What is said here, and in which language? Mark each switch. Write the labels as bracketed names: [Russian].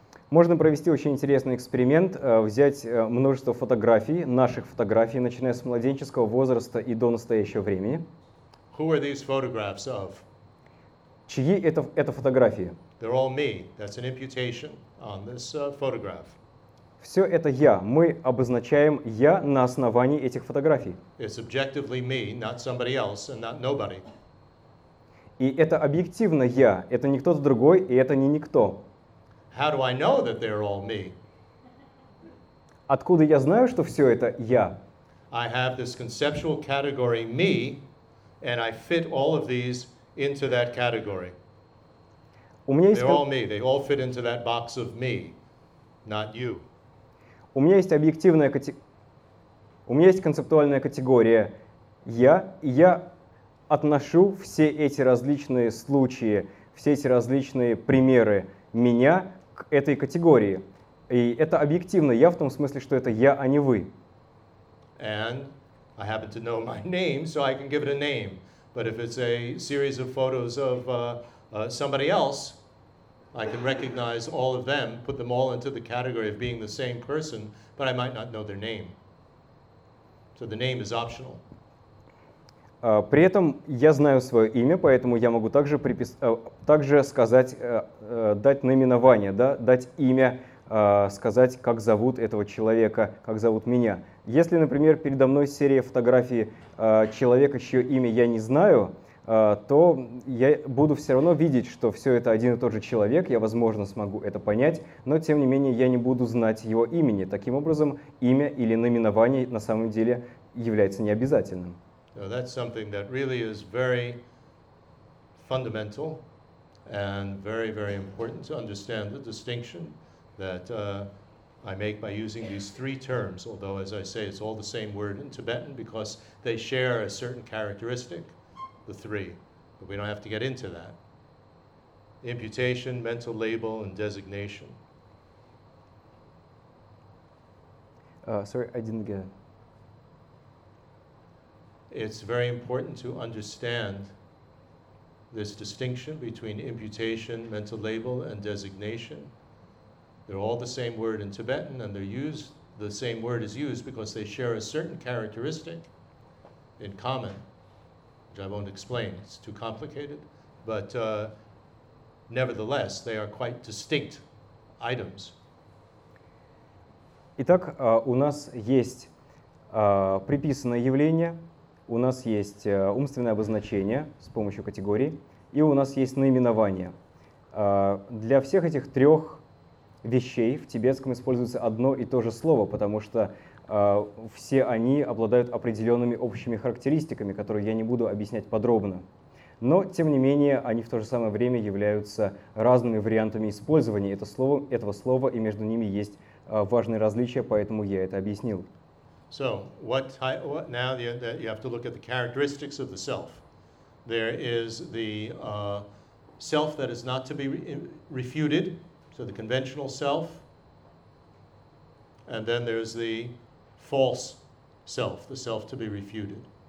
[Russian] Можно провести очень интересный эксперимент, взять множество фотографий, наших фотографий, начиная с младенческого возраста и до настоящего времени. [English] Who are these photographs of? [Russian] Чьи это фотографии? [English] They're all me. That's an imputation on this photograph. [Russian] Все это я. Мы обозначаем я на основании этих фотографий. [English] It's objectively me, not somebody else, and not nobody. [Russian] И это объективно я. Это не кто-то другой, и это не никто. [English] How do I know that they're all me? [Russian] Откуда я знаю, что все это я? [English] I have this conceptual category me, and I fit all of these into that category. [Russian] У меня есть... [English] They're all me. They all fit into that box of me, not you. [Russian] У меня есть объективная категория. У меня есть концептуальная категория я, и я отношу все эти различные случаи, все эти различные примеры меня к этой категории. И это объективно. Я в том смысле, что это я, а не вы. [English] And I happen to know my name, so I can give it a name. But if it's a series of photos of somebody else, I can recognize all of them, put them all into the category of being the same person, but I might not know their name. So the name is optional. [Russian] При этом я знаю свое имя, поэтому я могу также сказать, дать наименование, да, дать имя, сказать, как зовут этого человека, как зовут меня. Если, например, передо мной серия фотографий человека, чье имя я не знаю, то я буду все равно видеть, что все это один и тот же человек, я, возможно, смогу это понять, но, тем не менее, я не буду знать его имени. Таким образом, имя или наименование на самом деле является необязательным. [English] That's something that really is very fundamental and very, very important to understand the distinction that I make by using these three terms, although, as I say, it's all the same word in Tibetan because they share a certain characteristic, the three, but we don't have to get into that. Imputation, mental label, and designation. Sorry, I didn't get it. It's very important to understand this distinction between imputation, mental label, and designation. They're all the same word in Tibetan, and they're used, the same word is used because they share a certain characteristic in common, which I won't explain, it's too complicated, but nevertheless, they are quite distinct items. [Russian] Итак, у нас есть приписанное явление, у нас есть умственное обозначение с помощью категорий, и у нас есть наименование. Для всех этих трех вещей в тибетском используется одно и то же слово, потому что все они обладают определенными общими характеристиками, которые я не буду объяснять подробно. Но, тем не менее, они в то же самое время являются разными вариантами использования этого слова, и между ними есть важные различия, поэтому я это объяснил. [English] So, what now that you have to look at the characteristics of the self. There is the self that is not to be refuted, so the conventional self, and then there's the false self, the self to be refuted.